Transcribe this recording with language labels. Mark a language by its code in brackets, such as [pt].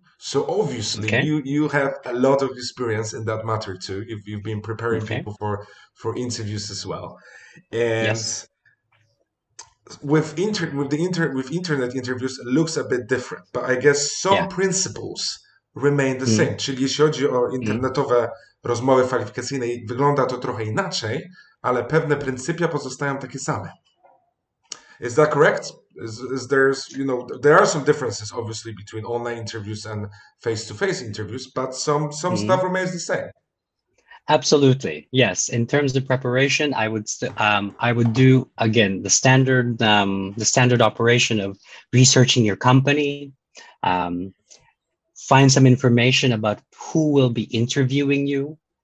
[en] So obviously you have a lot of experience in that matter too. You've been preparing people for interviews as well. And yes. With internet interviews, it looks a bit different, but I guess some principles remain the same. [pl] Czyli jeśli chodzi o internetowe rozmowy kwalifikacyjne, wygląda to trochę inaczej, ale pewne pryncypia pozostają takie same. [en] Is that correct? Is there's, you know, there are some differences obviously between online interviews and face-to-face interviews, but some stuff remains the same. Absolutely. Yes, in terms of preparation, I would do again the standard operation of researching your company, find some information about who will be interviewing you.